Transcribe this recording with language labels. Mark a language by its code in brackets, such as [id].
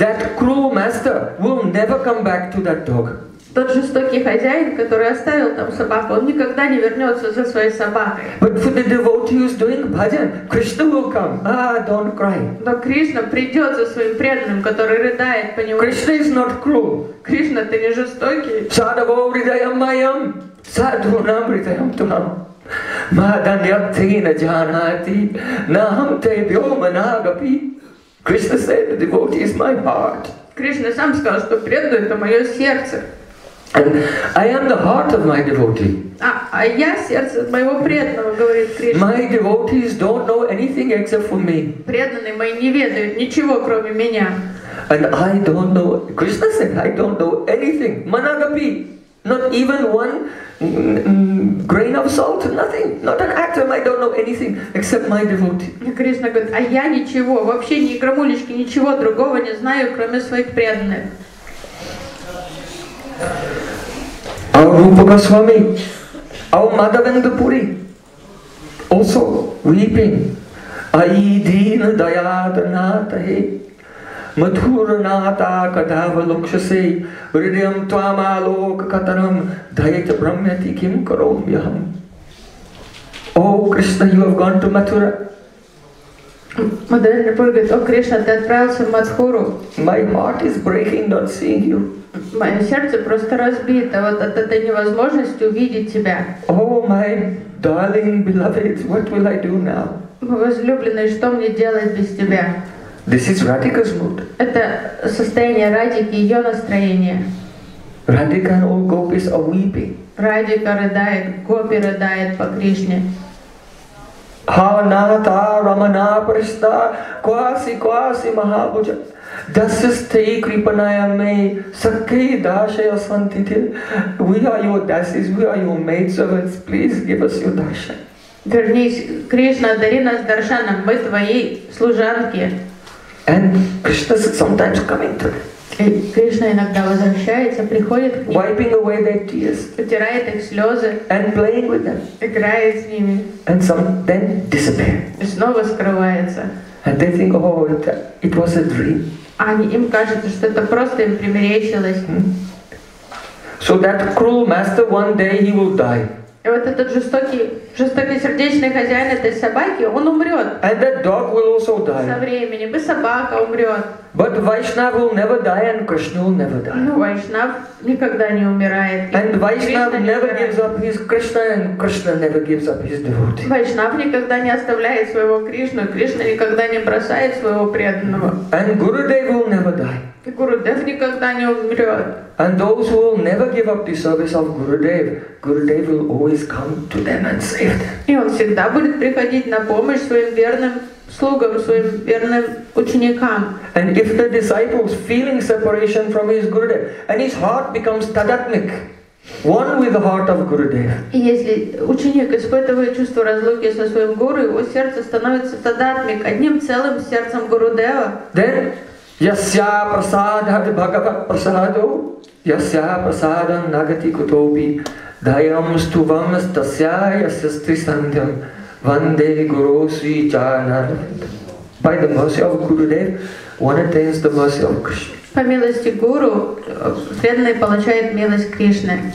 [en] That cruel master will never come back to that dog. [ru] Тот жестокий хозяин, который оставил там собаку, он никогда не вернется за своей собакой. [en] But for the devotee who's doing bhajan, Krishna will come. Don't cry. [ru] Но Кришна придет за своим преданным, который рыдает по нему. [en] Krishna is not cruel. [ru] Кришна, ты не жестокий. [sa] Sadhu hridayam mayam, sadhu nam hridayam tunam. Madanyati na janati, naham te vyoma nagapi. [en] Krishna said, the devotee is my heart. [ru] Кришна сам сказал, что преданный — это мое сердце. [en] And I am the heart of my devotee. [ru] А я сердце моего преданного, говорит Кришна. [en] My devotees don't know anything except for me. [ru] Преданные мои не ведают ничего, кроме меня. [en] And I don't know. Krishna said, I don't know anything. Managapi, not even one grain of salt, nothing. Not an atom. I don't know anything except my devotee. [ru] Кришна говорит, а я ничего, вообще ни грамулечки, ничего другого не знаю, кроме своих преданных. [en] Our Rupa Goswami, our Madhavendra Puri, also weeping. [sa] Ai Deen Dayad Natahe Madhura Nata Kadava Lokshase Vridyam Twama Loka Kataram Dayata Brahmyati Kim Karom Yaham. [en] Oh Krishna, you have gone to Mathura. [ru] Madhavendra Puri говорит, [en] oh Krishna, [ru] ты отправился в Мадхуру. [en] My heart is breaking not seeing you. [ru] Мое сердце просто разбито вот от этой невозможности увидеть тебя. [en] Oh, my darling beloved, what will I do now? [ru] Мой возлюбленный, что мне делать без тебя? [en] This is Radhika's mood. [ru] Это состояние Радики, ее настроение. [en] Radhika and all gopis are weeping. [ru] Радика рыдает, гопи рыдает по Кришне. [sa] Ханата Рамана Пришта Кваси Кваси Махабуджа Дасисте Крипаная Мэй Сакхи Дашая Сантити. [en] We are your dasis, we are your maidservants. Please give us your darshan. [ru] Вернись, Кришна, дари нас даршанам, мы твои служанки. [en] And Krishna is sometimes coming to me. [ru] Кришна иногда возвращается, приходит к ним. [en] Wiping away their tears. [ru] Утирает их слезы. [en] And playing with them. [ru] Играет с ними. [en] And some then disappear. [ru] И снова скрывается. [en] And they think, oh, it was a dream. [ru] Они, им кажется, что это просто им примерещилось. [en] So that cruel master, one day he will die. [ru] И вот этот жестокий сердечный хозяин этой собаки, он умрет. [en] And that dog will also die. [ru] Со временем и собака умрет. [en] But Vaishnav will never die and Krishna will never die. [ru] Ну, Vaishnav никогда не умирает. [en] And Vaishnav never gives up his Krishna and Krishna never gives up his devotee. [ru] Vaishnav никогда не оставляет своего Кришну, Кришна никогда не бросает своего преданного. [en] And Gurudev will never die. [ru] И Гурудев никогда не умрет. [en] And those who will never give up the service of Gurudev, Gurudev will always come to them and save them. [ru] И он всегда будет приходить на помощь своим верным слугам, своим верным ученикам. [en] And if the disciples feeling separation from his Gurudev, and his heart becomes tadatmik, one with the heart of Gurudev. [ru] И если ученик испытывает чувство разлуки со своим гуру, его сердце становится тадатмик, одним целым сердцем Гурудева. [sa] Then Yasya prasadhat bhagavat prasado, yasya prasadam nagati kutopi, dhayam stuvam stasya yasya strisandhyam, vande guru sri chanarvind. [en] By the mercy of Gurudev, one attains the mercy of Krishna. [ru] По милости Гуру, преданный получает милость Кришны.